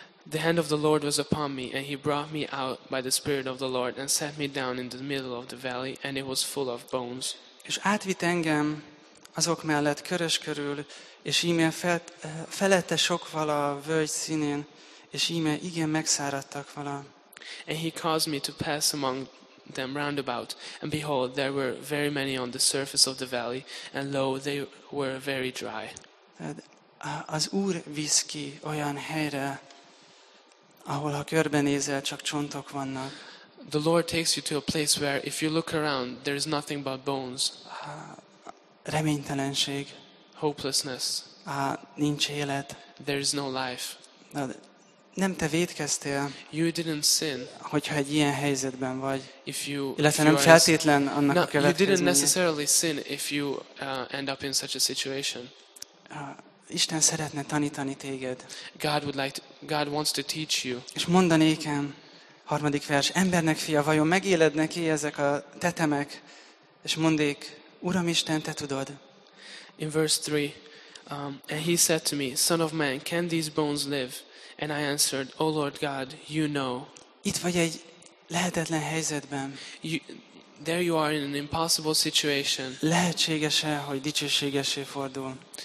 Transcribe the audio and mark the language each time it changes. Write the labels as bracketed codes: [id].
[en] The hand of the Lord was upon me, and he brought me out by the Spirit of the Lord, and set me down in the middle of the valley, and it was full of bones. [hu] És átvitt engem azok mellett körös körül, és íme felette sok vala a völgy színén, és íme igen megszáradtak vala. [en] And he caused me to pass among them round about, and behold, there were very many on the surface of the valley, and lo, they were very dry. [hu] Az Úr visz ki olyan helyre, ahol ha körbenézel, csak csontok vannak. [en] The Lord takes you to a place where if you look around, there is nothing but bones. [hu] Reménytelenség. [en] Hopelessness. [hu] Nincs élet. [en] There is no life. [hu] Nem te vétkeztél. [en] You didn't sin. [hu] Hogyha egy ilyen helyzetben vagy. [en] If you, [hu] illetve [en] if [hu] nem feltétlen annak [en] no, [hu] a következménye. [en] You didn't necessarily sin if you end up in such a situation. [hu] Isten szeretne tanítani téged. [en] God wants to teach you. [hu] És mondanékem, harmadik vers, embernek fia, vajon megéled neki ezek a tetemek? És mondék, Uram Isten, te tudod. [en] In verse 3, and he said to me, Son of man, can these bones live? And I answered, O Lord God, you know. [hu] Itt vagy egy lehetetlen helyzetben. [en] There you are in an impossible situation. [hu] Lehetséges-e, hogy dicsőségessé fordul?